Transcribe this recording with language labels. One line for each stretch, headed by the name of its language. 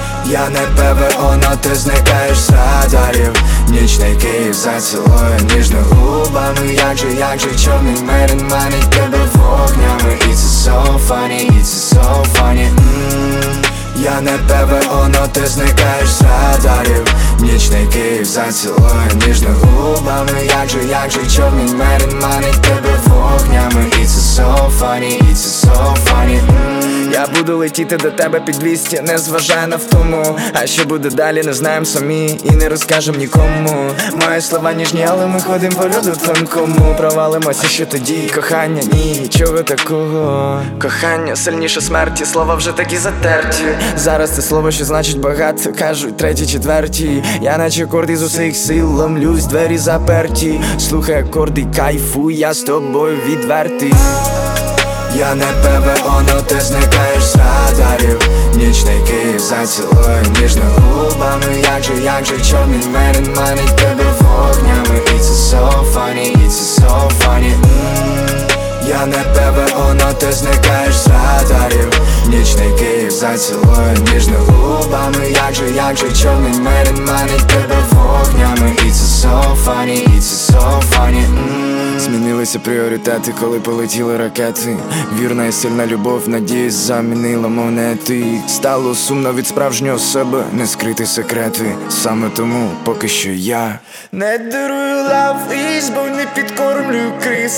Ukrainian: Я не ПВО, но ти зникаєш з радарів. Нічний Київ зацілує ніжно губами. Як же чорний мерин манить тебе вогнями.
English: It's so funny, it's so funny.
Ukrainian: Я не ПВО, но ти зникаєш з радарів. Нічний Київ зацілує ніжно губами. Як же чорний мерин манить тебе вогнями.
English: It's so funny, it's so funny.
Ukrainian: Я буду летіти до тебе під 200, не зважаю на втому. А що буде далі, не знаєм самі і не розкажем нікому. Мої слова ніжні, але ми ходим по льоду тонкому. Провалимося, що тоді? Кохання, ні, нічого такого. Кохання сильніше смерті, слова вже такі затерті. Зараз це слово, що значить багато, кажуть треті, четверті. Я наче акорд із усіх сил ломлюсь, двері заперті. Слухай акорди, кайфуй, я з тобою відвертий. Я не ПВО, но ти зникаєш з радарів. Нічний Київ зацілує ніжно губами. Як же чорний мерин манить тебе вогнями.
English: It's so funny, it's so funny.
Ukrainian: Я не ПВО, но ти зникаєш з радарів. Нічний Київ зацілує ніжно губами. Як же чорний мерин манить тебе вогнями.
English: It's so funny, it's so funny.
Ukrainian: Змінилися пріоритети, коли полетіли ракети. Вірна і сильна любов, надії замінила монети. Стало сумно від справжнього себе, не скрити секрети. Саме тому поки що я не дарую
English: лав із,
Ukrainian: бо не підкормлюю криз.